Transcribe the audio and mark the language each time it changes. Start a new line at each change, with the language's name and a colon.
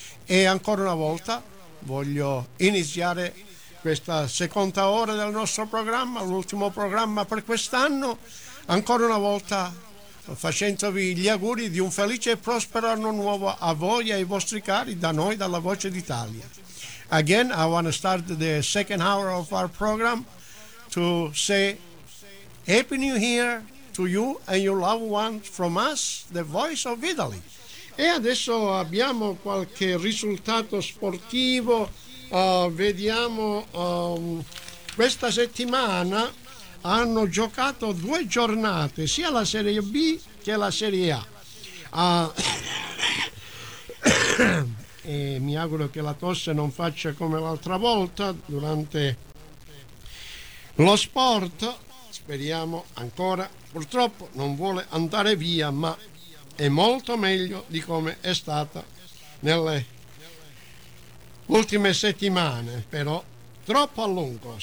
Italian: E ancora una volta voglio iniziare questa seconda ora del nostro programma, l'ultimo programma per quest'anno, ancora una volta facendovi gli auguri di un felice e prospero anno nuovo a voi e ai vostri cari da noi, dalla Voce d'Italia.
English: Again, I want to start the second hour of our program to say Happy New Year to you and your loved ones from us, the Voice of Italy.
Italian: E adesso abbiamo qualche risultato sportivo. Questa settimana hanno giocato due giornate sia la Serie B che la Serie A. E mi auguro che la tosse non faccia come l'altra volta durante lo sport, speriamo ancora, purtroppo non vuole andare via, ma è molto meglio di come è stata nelle ultime settimane, però troppo a lungo.